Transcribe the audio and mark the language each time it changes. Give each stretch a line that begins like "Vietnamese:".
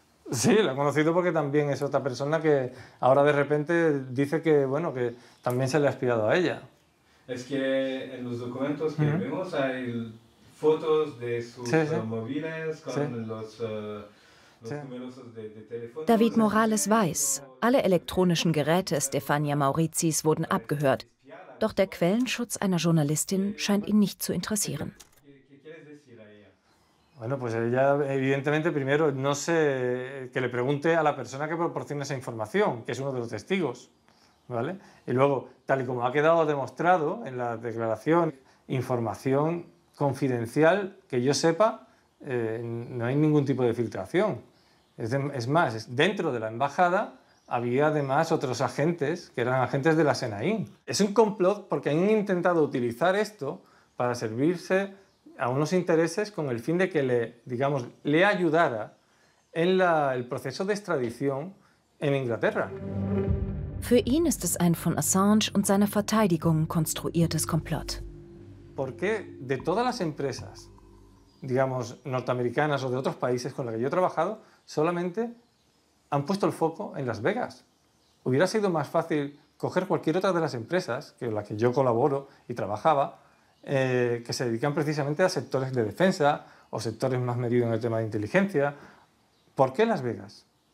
Spanish: Sí, la he conocido porque también es otra persona que ahora de repente dice que, bueno, que también se le ha espiado a ella. Es que en los documentos que vemos hay fotos de sus móviles con los números de teléfono.
German: David Morales weiß, alle elektronischen Geräte Stefania Maurizis wurden abgehört. Doch der Quellenschutz einer Journalistin scheint ihn nicht zu interessieren.
Spanish: Bueno, pues ella evidentemente primero no sé que le pregunte a la persona que proporciona esa información, que es uno de los testigos, ¿vale? Y luego, tal y como ha quedado demostrado en la declaración, información confidencial que yo sepa, no hay ningún tipo de filtración. Es más, dentro de la embajada había además otros agentes que eran agentes de la SENAIN. Es un complot porque han intentado utilizar esto para servirse a unos intereses con el fin de que le ayudara en el proceso de extradición en Inglaterra.
German: Für ihn ist es ein von Assange und seiner Verteidigung konstruiertes Komplott.
Spanish: ¿Por qué de todas las empresas, norteamericanas o de otros países con las que yo he trabajado, solamente han puesto el foco en Las Vegas? Hubiera sido más fácil coger cualquier otra de las empresas que la que yo colaboro y trabajaba, que se dedican precisamente a sectores de defensa o sectores más medidos en el tema de inteligencia. ¿Por qué Las Vegas?